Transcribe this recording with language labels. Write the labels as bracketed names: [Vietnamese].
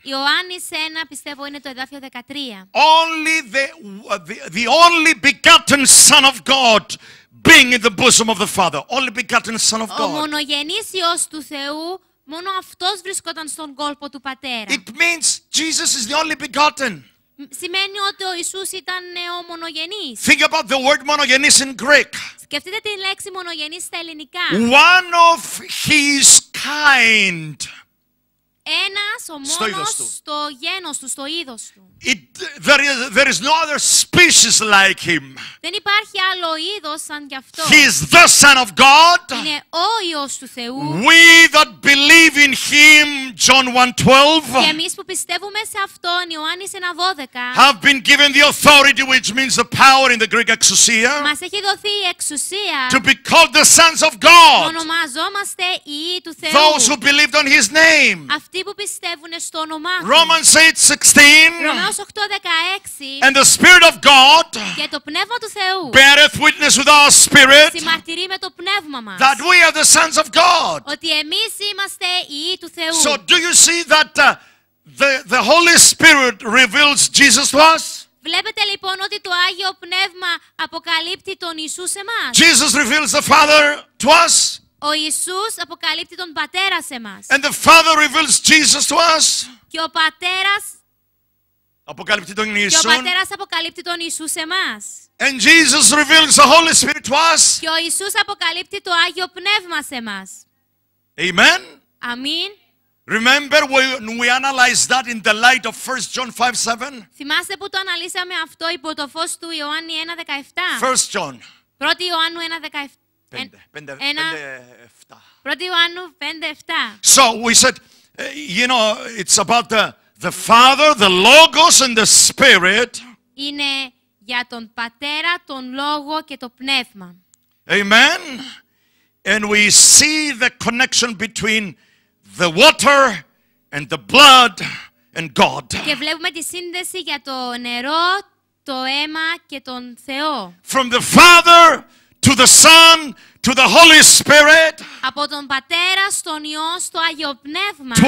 [Greek] Ιωάννης 1, πιστεύω είναι το εδάφιο 13. [English] Only the only begotten Son of God being in the bosom of the Father. Only begotten Son of God. [Greek] Ο μονογενής Υιός του Θεού, μόνο αυτός βρισκόταν στον κόλπο του Πατέρα. [English] It means Jesus is the only begotten. [Greek] Σημαίνει ότι ο Ιησούς ήταν ο μονογενής. [English] Think about the word monogenes in Greek. [Greek] Σκεφτείτε τη λέξη μονογενής στα ελληνικά. [English] One of his kind. [Greek] Ένας ο μόνος στο γένος του, στο είδος του. [English] There is no other species like him. [Greek] Δεν υπάρχει άλλο είδος σαν κι αυτό. [English] He is the Son of God. [Greek] Είναι ο Υιός του Θεού. [English] We that believe in him John 1:12. [Greek] Και εμείς που πιστεύουμε σε αυτόν, Ιωάννης 1:12. [English] Have been given the authority, which means the power in the Greek exousia. [Greek] Μας έχει δοθεί η εξουσία. [English] To be called the sons of God. [Greek] Ονομαζόμαστε οι του Θεού. [English] Those who believed on His name. [Greek] Αυτοί που πιστεύουν στο όνομά Του. [English] Romans 8:16. [Greek] Ρωμαίους 8:16. [English] And the Spirit of God. [Greek] Και το Πνεύμα του Θεού. [English] Beareth witness with our spirit. [Greek] Συμμαρτυρεί με το πνεύμα μας. [English] That we are the sons of God. [Greek] Ότι εμείς είμαστε οι του Θεού. [English] So do you see that the Holy Spirit reveals Jesus to us? [Greek] Βλέπετε λοιπόν ότι το Άγιο Πνεύμα αποκαλύπτει τον Ιησού σε μας. [English] Jesus reveals the Father to us. [Greek] Ο Ιησούς αποκαλύπτει τον Πατέρα σε μας. [English] And the Father reveals Jesus to us. [Greek] Και ο Πατέρας αποκαλύπτει τον Ιησού. Και ο Πατέρας αποκαλύπτει τον Ιησού σε μας. [English] And Jesus reveals the Holy Spirit to us. [Greek] Και ο Ιησούς αποκαλύπτει το Άγιο Πνεύμα σε μας. [English] Amen. [Greek] Αμήν. [English] Remember when we analyzed that in the light of 1 John 5:7? [Greek] Θυμάστε που το αναλύσαμε αυτό υπό το φως του Ιωάννη 1:17. [English] 1 John. [Greek] 1 Ιωάννου 1:17. 1 Ιωάννου 5:7. [English] So we said, you know, it's about the Father, the Logos and the Spirit. [Greek] Είναι για τον Πατέρα, τον Λόγο και το Πνεύμα. [English] Amen. And we see the connection between the water and the blood and God. [Greek] Και βλέπουμε τη σύνδεση για το νερό, το αίμα και τον Θεό. [English] From the Father to the Son to the Holy Spirit. [Greek] Από τον Πατέρα στον Υιό στο Άγιο Πνεύμα.